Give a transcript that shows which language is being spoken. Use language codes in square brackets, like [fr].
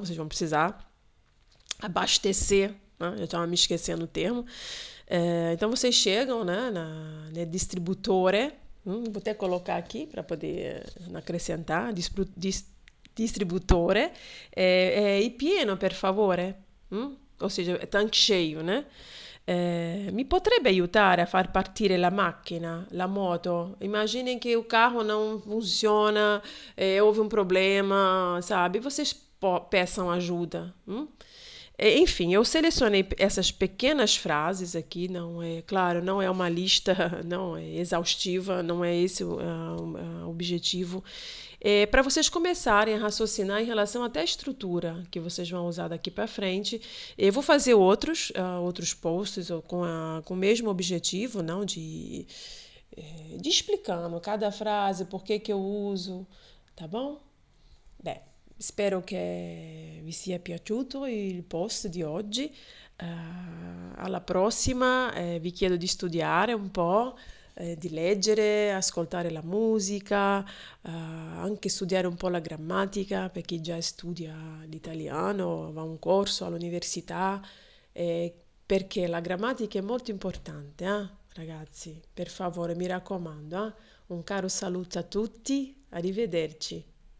[pt] Vocês vão precisar abastecer, né? Eu estava me esquecendo o termo. Então vocês chegam, né? Na distribuidora, vou até colocar aqui para poder acrescentar, [it] distributore e pieno per favore, [pt] Ou seja, tanque cheio, né? [it] Mi potrebbe aiutare a far partire la macchina, la moto? Immagini che il carro non funziona, [pt] houve un problema, sabe? Vocês peçam ajuda, Enfim, eu selecionei essas pequenas frases aqui, não é, claro, não é uma lista, não é exaustiva, não é esse o objetivo. É para vocês começarem a raciocinar em relação até à estrutura que vocês vão usar daqui para frente. Eu vou fazer outros posts com o mesmo objetivo, não de explicando cada frase, por que que eu uso, tá bom? Bem, espero que [it] vi sia piaciuto il post di oggi. Alla prossima, vi chiedo di studiare un po', di leggere, ascoltare la musica, anche studiare un po' la grammatica per chi già studia l'italiano, va a un corso all'università, perché la grammatica è molto importante, ragazzi, per favore, mi raccomando, un caro saluto a tutti, arrivederci.